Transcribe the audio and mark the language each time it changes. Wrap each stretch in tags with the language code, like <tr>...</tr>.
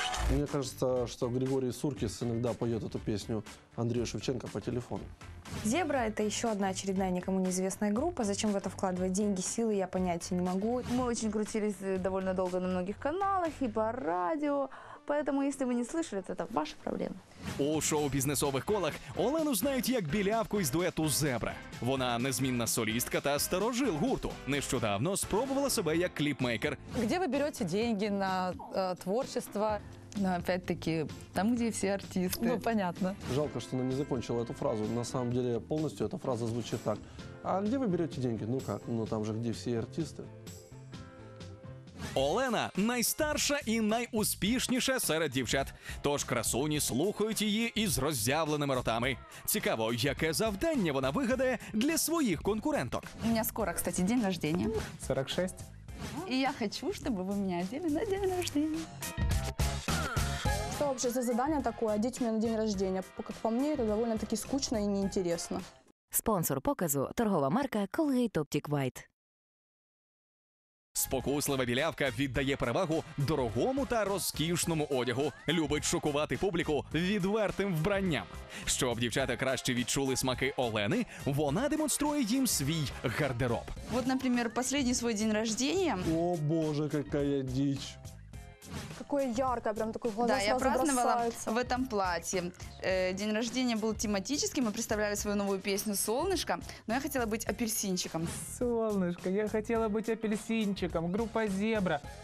<ru>Мне кажется, что Григорий Суркис иногда поет эту песню Андрею Шевченко по телефону. «Зебра» — это еще одна очередная никому неизвестная группа. Зачем в это вкладывать деньги, силы, я понятия не могу. Мы очень крутились довольно долго на многих каналах и по радио. Поэтому, если вы не слышали, то это ваша проблема.</ru> <uk>У шоу-бізнесових колах Олену знають як білявку із дуету «Зебра». Вона незмінна солістка та старожил гурту. Нещодавно спробувала себе як кліпмейкер.</uk> <ru>«Где ви берете деньги на творчество?» Ну, опять-таки, там, где все артисты. Ну, понятно. Жалко, что она не закончила эту фразу. На самом деле, полностью эта фраза звучит так. А где вы берете деньги? Ну как? Ну, там же, где все артисты.</ru> <uk>Олена – найстарша і найуспішніша серед дівчат. Тож красуні слухають її із роззявленими ротами. Цікаво, яке завдання вона вигадає для своїх конкуренток. У мене скоро,</uk> <ru>кстати, день рождения.</ru> <uk>46. І я хочу, щоб ви мене</uk> <ru>одели на день рождения. Что вообще за задание такое? Одеть меня на день рождения. Как по мне, это довольно-таки скучно и неинтересно.</ru> <uk>Спонсор показу – торгова марка Colgate Optic White. Спокуслива білявка віддає перевагу дорогому та розкішному одягу. Любить шокувати публіку відвертим вбранням. Щоб дівчата краще відчули смаки Олени, вона демонструє їм свій гардероб.</uk> <ru>Вот, например, последний свой день рождения. О, Боже, какая дичь. Какое яркое, прям такое, глаза да, сразу бросаются. Да, я праздновала в этом платье. День рождения был тематический, мы представляли свою новую песню «Солнышко», но я хотела быть апельсинчиком. Солнышко, я хотела быть апельсинчиком, группа «Зебра».</ru>